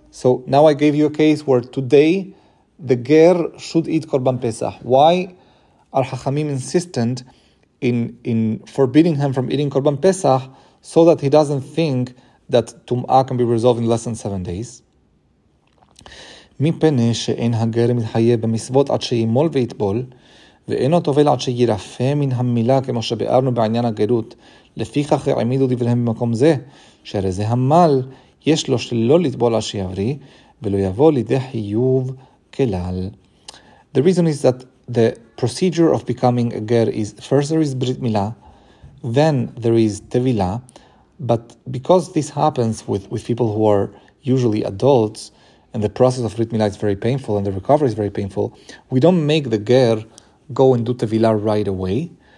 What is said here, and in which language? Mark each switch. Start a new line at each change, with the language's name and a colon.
English: So now I gave you a case where today the ger should eat Korban Pesach. Why are Chachamim insistent in forbidding him from eating Korban Pesach so that he doesn't think that Tum'ah can be resolved in less than 7 days?
Hebrew: מפני שאין הגר מתחייב במסוות עד שימול ויתבול, ואינו טובל עד שירפה מן המילה כמו שבארנו בעניין הגרות, לפיכך העמידו דבריהם במקום זה, שהרי זה המל, יש לו שלא לטבול עד שיברי, ולא יבוא לידי חיוב כלל.
English: The reason is that the procedure of becoming a ger is, first there is Brit Milah, then there is Tevilah, but because this happens with people who are usually adults, and the process of Brit Milah is very painful, and the recovery is very painful, we don't make the ger go and do Tevilah right away.